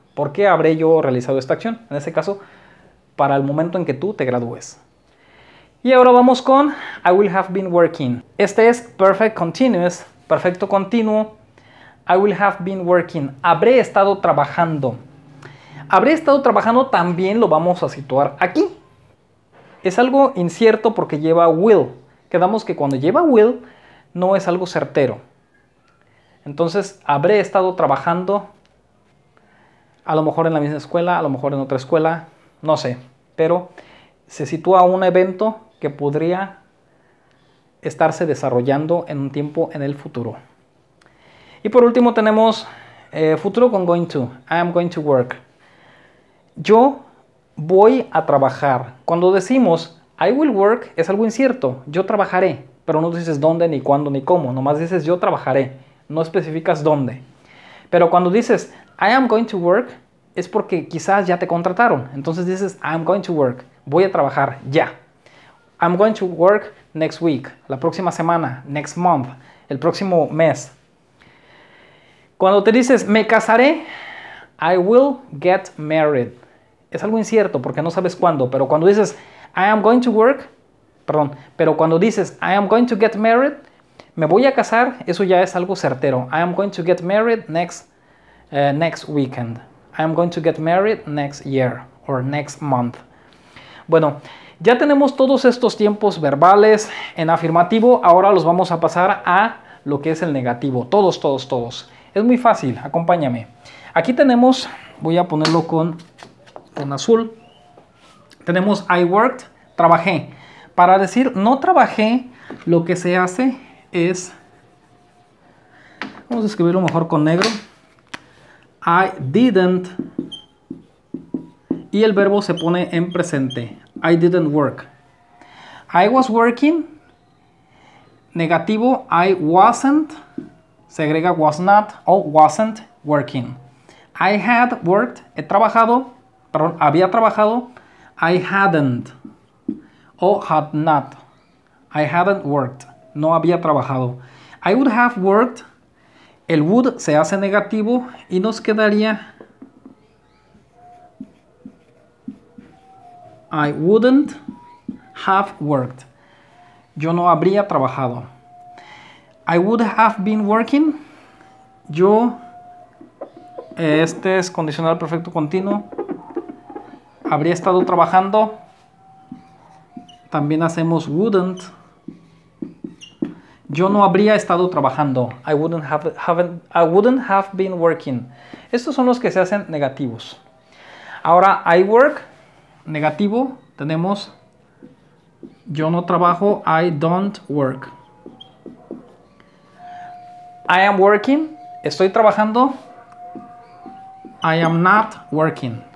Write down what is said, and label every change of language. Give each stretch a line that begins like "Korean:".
Spanish: ¿Por qué habré yo realizado esta acción? En ese caso, para el momento en que tú te gradúes. Y ahora vamos con
English: I will have been working.
Spanish: Este es
English: perfect continuous,
Spanish: perfecto continuo.
English: I will have been working.
Spanish: Habré estado trabajando. Habré estado trabajando también lo vamos a situar aquí. Es algo incierto porque lleva will. Quedamos que cuando lleva will no es algo certero. Entonces, habré estado trabajando a lo mejor en la misma escuela, a lo mejor en otra escuela, no sé. Pero se sitúa un evento que podría estarse desarrollando en un tiempo en el futuro. Y por último tenemos futuro con going to.
English: I am going to work.
Spanish: Yo voy a trabajar. Cuando decimos
English: I will work,
Spanish: es algo incierto. Yo trabajaré. Pero no dices dónde, ni cuándo, ni cómo. Nomás dices yo trabajaré. No especificas dónde. Pero cuando dices
English: I am going to work,
Spanish: es porque quizás ya te contrataron.
English: Entonces dices I am going to work.
Spanish: Voy a trabajar ya.
English: I'm going to work next week.
Spanish: La próxima semana.
English: Next month.
Spanish: El próximo mes. Cuando te dices me casaré,
English: I will get married.
Spanish: Es algo incierto porque no sabes cuándo. Pero cuando dices
English: I am going to work,
Spanish: perdón, pero cuando dices
English: I am going to get married,
Spanish: me voy a casar, eso ya es algo certero.
English: I am going to get married next weekend. I am going to get married next year or next month.
Spanish: Bueno, ya tenemos todos estos tiempos verbales en afirmativo. Ahora los vamos a pasar a lo que es el negativo. Todos. Es muy fácil, acompáñame. Aquí tenemos, voy a ponerlo con azul. Tenemos
English: I worked,
Spanish: trabajé. Para decir no trabajé, lo que se hace es, vamos a escribirlo mejor con negro.
English: I didn't.
Spanish: Y el verbo se pone en presente.
English: I didn't work. I was working.
Spanish: Negativo,
English: I wasn't.
Spanish: Se agrega was not o wasn't working.
English: I had worked,
Spanish: he trabajado, perdón, había trabajado.
English: I hadn't o had not. I hadn't worked,
Spanish: no había trabajado.
English: I would have worked,
Spanish: el would se hace negativo y nos quedaría
English: I wouldn't have worked.
Spanish: Yo no habría trabajado.
English: I would have been working.
Spanish: Yo, este es condicional perfecto continuo. Habría estado trabajando. También hacemos
English: wouldn't.
Spanish: Yo no habría estado trabajando.
English: I wouldn't have been working.
Spanish: Estos son los que se hacen negativos. Ahora,
English: I work.
Spanish: Negativo. Tenemos yo no trabajo.
English: I don't work. I am working.
Spanish: Estoy trabajando.
English: I am not working.